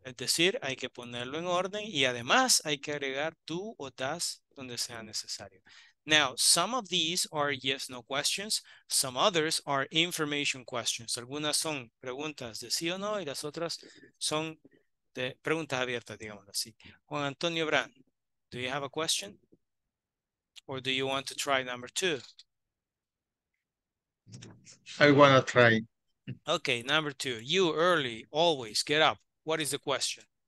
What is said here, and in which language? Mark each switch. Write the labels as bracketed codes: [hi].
[es] Es decir, hay que ponerlo en orden y además hay que agregar do o does donde sea necesario. [en] Now, some of these are yes, no questions. Some others are information questions. [es] Algunas son preguntas de sí o no y las otras son de preguntas abiertas, digamos así. [en] Juan Antonio Brand, do you have a question? Or do you want to try number 2? I want to try. Okay, number 2. You early, always get up. What is the question?